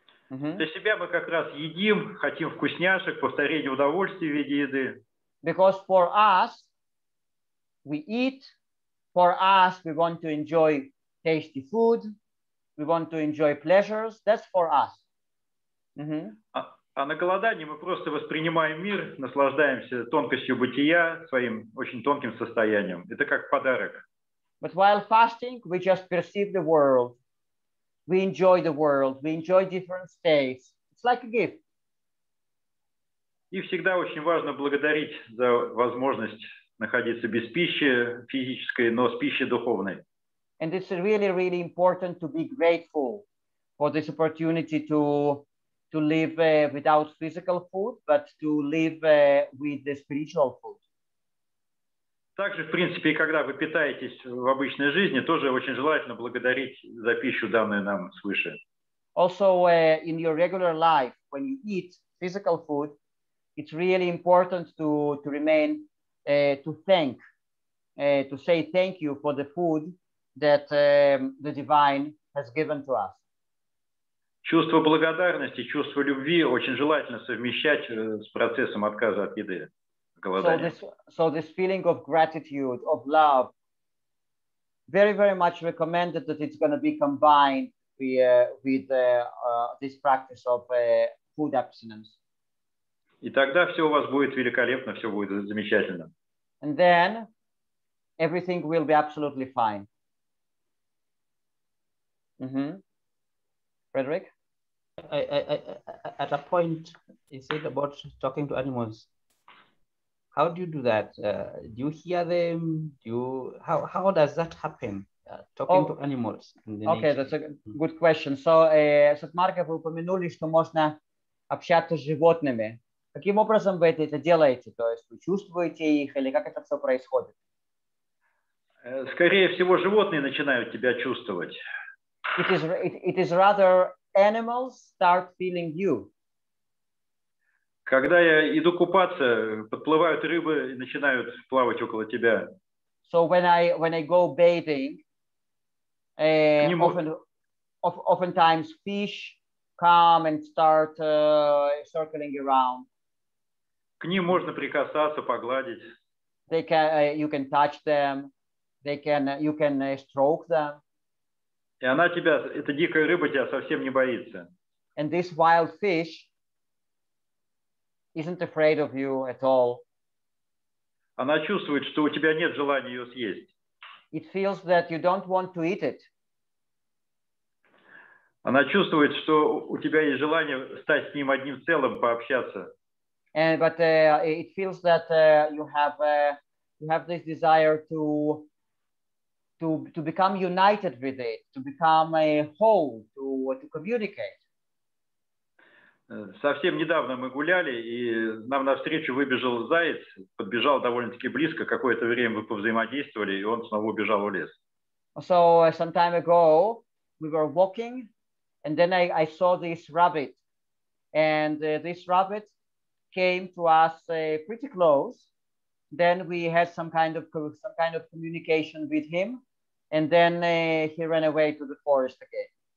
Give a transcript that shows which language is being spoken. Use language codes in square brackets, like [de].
[ru] Mm-hmm. Для себя мы как раз едим, хотим вкусняшек, повторение удовольствия в виде еды. [en] Because for us, we eat. For us, we want to enjoy tasty food. We want to enjoy pleasures. That's for us. Mm-hmm. [ru] А на голодании мы просто воспринимаем мир, наслаждаемся тонкостью бытия, своим очень тонким состоянием. Это как подарок. [en] But while fasting, we just perceive the world. We enjoy the world. We enjoy different states. It's like a gift. [ru] И всегда очень важно благодарить за возможность находиться без пищи физической, но с пищей духовной. [en] And it's really, really important to be grateful for this opportunity to live without physical food, but to live with the spiritual food. [ru] Также, в принципе, когда вы питаетесь в обычной жизни, тоже очень желательно благодарить за пищу, данную нам свыше. [en] Also, in your regular life, when you eat physical food, it's really important to remain, to say thank you for the food that the divine has given to us. [ru] Чувство благодарности, чувство любви очень желательно совмещать с процессом отказа от еды. [en] So this feeling of gratitude, of love, very, very much recommended that it's going to be combined with this practice of food abstinence. [ru] И тогда все у вас будет великолепно, все будет замечательно. [en] And then everything will be absolutely fine. Mm-hmm. Frederick? I, at a point, you said about talking to animals. How do you do that? Do you hear them? How does that happen? Talking to animals. Okay, that's a good question. [ru] So, Сатмарга, вы упомянули, что можно общаться с животными. Каким образом вы это делаете? То есть вы чувствуете их или как это все происходит? Скорее всего, животные начинают тебя чувствовать. [en] It is rather animals start feeling you. [ru] Когда я иду купаться, подплывают рыбы и начинают плавать около тебя. [en] So when I go bathing, oftentimes fish come and start circling around. [ru] К ним можно прикасаться, погладить. [en] They can, you can touch them. They can, you can stroke them. [ru] И она тебя, эта дикая рыба тебя совсем не боится. [en] And this wild fish isn't afraid of you at all. [ru] Она чувствует, что у тебя нет желания ее съесть. [en] It feels that you don't want to eat it. [ru] Она чувствует, что у тебя есть желание стать с ним одним целым, пообщаться. [en] And but it feels that you have this desire to become united with it, to become a whole, to communicate. [ru] Совсем недавно мы гуляли, и нам навстречу выбежал заяц, подбежал довольно-таки близко, какое-то время мы повзаимодействовали, и он снова убежал в лес. [en] So some time ago we were walking, and then I saw this rabbit, and this rabbit came to us pretty close. Then we had some kind of communication with him, and then he ran away to the forest again.